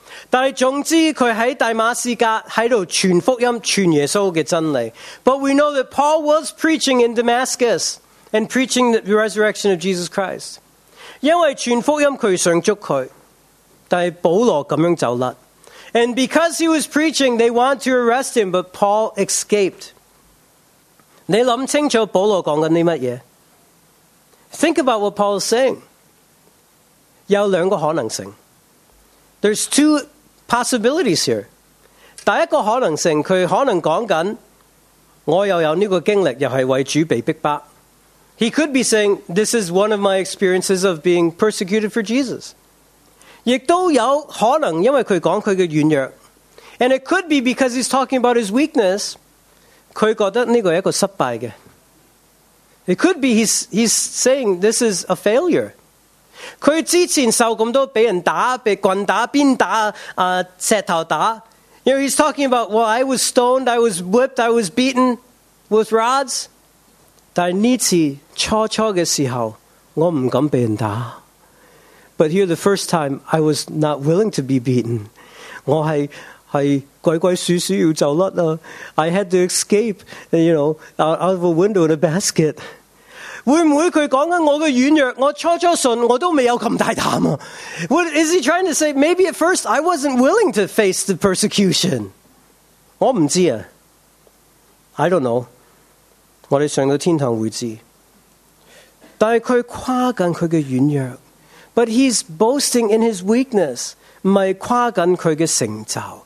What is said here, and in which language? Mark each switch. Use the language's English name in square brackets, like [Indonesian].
[Cantonese] 但系总之，佢喺大马士革喺度传福音，传耶稣嘅真理。 [English] But we know that Paul was preaching in Damascus and preaching the resurrection of Jesus Christ. [Cantonese] 因为传福音佢想捉佢，但系保罗咁样走甩。 [English] And because he was preaching, they want to arrest him, but Paul escaped. [Cantonese] 你谂清楚保罗讲紧啲乜嘢？ [English] Think about what Paul is saying. [Cantonese] 有两个可能性。 [English] There's two possibilities here. [Cantonese] 第一个可能性，佢可能讲紧我又有呢个经历，又系为主被逼迫。 [English] He could be saying, this is one of my experiences of being persecuted for Jesus. [Cantonese] 亦都有可能，因为佢讲佢嘅软弱。 [English] And it could be because he's talking about his weakness, [Cantonese] 佢觉得呢个一个失败嘅。 [English] It could be he's saying this is a failure. [Cantonese] 佢之前受咁多俾人打，被棍打、鞭打、石头打。 [English] You know, he's talking about, well, I was stoned, I was whipped, I was beaten with rods. [Cantonese] 但呢次初初嘅时候，我唔敢俾人打。 But here the first time, I was not willing to be beaten. 我系。系鬼鬼祟祟要走甩啦 [English] ！I had to escape, you know, out of a window in a basket. [Cantonese] 会唔会佢讲紧我嘅软弱？我初初信，我都未有咁大胆啊 ！ [English] What is he trying to say? Maybe at first I wasn't willing to face the persecution. [Cantonese] 我唔知啊 ， [English] I don't know. [Cantonese] 我哋上到天堂会知。但系佢夸紧佢嘅软弱 ， [English] but he's boasting in his weakness， [Cantonese] 唔系夸紧佢嘅成就。